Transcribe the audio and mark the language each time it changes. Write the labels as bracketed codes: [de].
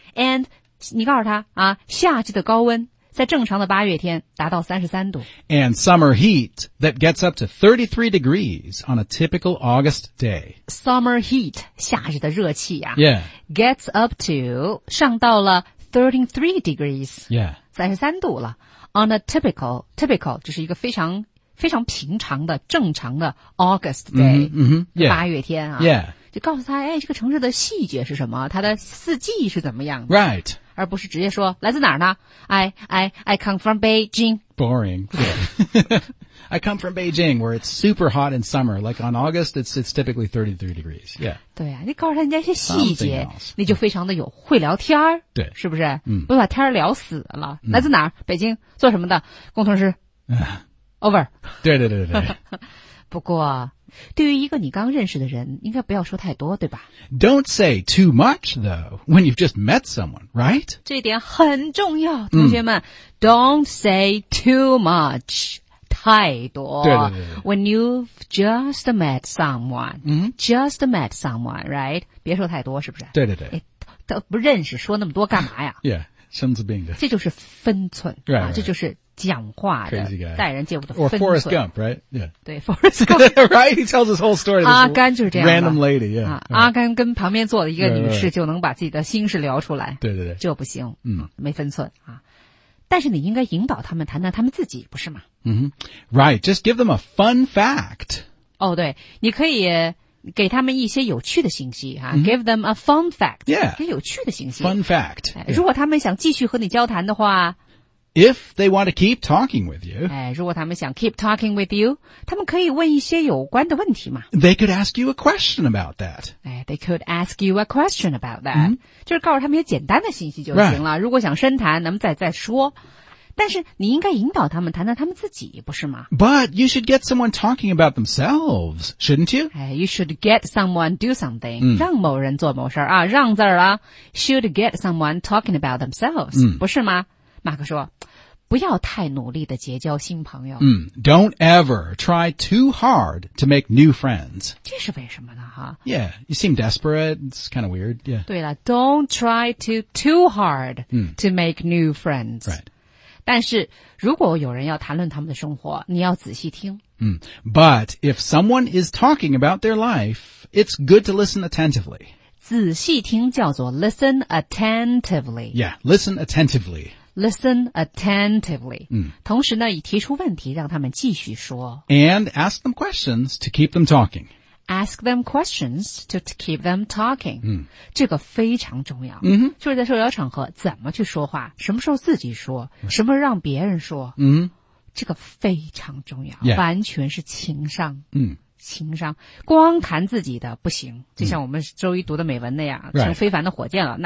[zh] And 你告诉他啊，夏季的高温在正常的八月天达到33度。 [en] And summer heat that gets up to 33 degrees on a typical August day. Summer heat, [zh] 夏日的热气啊。 [en] Yeah. Gets up to, [zh] 上到了 [en] 33 degrees. Yeah. [zh] 33度了。 [en] On a typical, typical [zh] 就是一个非常非常平常的正常的 [en] August day. 嗯、mm-hmm, 哼、 [zh] yeah. 八月天啊。 [en] Yeah. [zh] 就告诉他，哎，这个城市的细节是什么？它的四季是怎么样的 [en] ？Right， [zh] 而不是直接说来自哪儿呢 ？ [en] I come from Beijing. Boring.、Yeah. I come from Beijing, where it's super hot in summer. Like on August, it's typically 33 degrees. Yeah. [zh] 对啊，你告诉他人家一些细节，你就非常的有会聊天儿，对，是不是？嗯，不把天儿聊死了。嗯、来自哪儿？北京，做什么的？工程师。Over. 对对对对对。不过。对于一个你刚认识的人，应该不要说太多，对吧 [en] ？Don't say too much though when you've just met someone, right? [zh] 这一点很重要，同学们。 [en] Don't say too much, [zh] 太多。对对对对 [en] When you've just met someone,、just met someone, right? [zh] 别说太多，是不是？对对对。都不认识，说那么多干嘛呀？Yeah, 身子病的。这就是分寸 [en] right, right. [zh] 啊，这就是。讲话的 [en] Crazy guy. [zh] 待人接物的分 [en] 寸 Or Forrest Gump, right? Yeah. [zh] 对 Forrest Gump [en] Right? He tells his whole story [zh] 阿甘就是这样的 [en] Random lady yeah,、 [zh] 阿甘跟旁边坐的一个女士就能把自己的心事聊出来对对对这不行嗯，没分寸啊。但是你应该引导他们谈谈他们自己不是吗、 [en] Right, just give them a fun fact [zh] 哦对你可以给他们一些有趣的信息、 [en] Give them a fun fact Yeah [zh] 给有趣的信息 [en] Fun fact、 [zh] 如果他们想继续和你交谈的话 [en] If they want to keep talking with you. [zh] 哎，如果他们想 [en] keep talking with you, [zh] 他们可以问一些有关的问题嘛。 [en] They could ask you a question about that. [zh] 哎， [en] they could ask you a question about that.、 [zh] 就是告诉他们一些简单的信息就行了。如果想深谈，咱们再说。但是你应该引导他们谈谈他们自己，不是吗 [en] ？But you should get someone talking about themselves, shouldn't you? 哎，you should get someone do something.、 [zh] 让某人做某事儿啊，让字儿啊 [en] ，should get someone talking about themselves.、 [zh] 不是吗？马克说不要太努力的结交新朋友。 [en] Don't ever try too hard to make new friends. [zh] 这是为什么呢哈 [en] Yeah, you seem desperate. It's kind of weird. Yeah. 对了 don't try too hard to make new friends. Right. [zh] 但是如果有人要谈论他们的生活你要仔细听。 [en] But if someone is talking about their life, it's good to listen attentively. [zh] 仔细听叫做 [en] listen attentively. Yeah, listen attentively. Listen attentively.、 [zh] 同时呢，以提出问题让他们继续说。 [en] And ask them questions to keep them talking. Ask them questions to keep them talking.、 [zh] 这个非常重要。就是在社交场合怎么去说话，什么时候自己说，什么让别人说。这个非常重要， [en] yeah. [zh] 完全是情商。情商，光谈自己的不行，就像我们周一读的美文那样，成非凡的火箭了，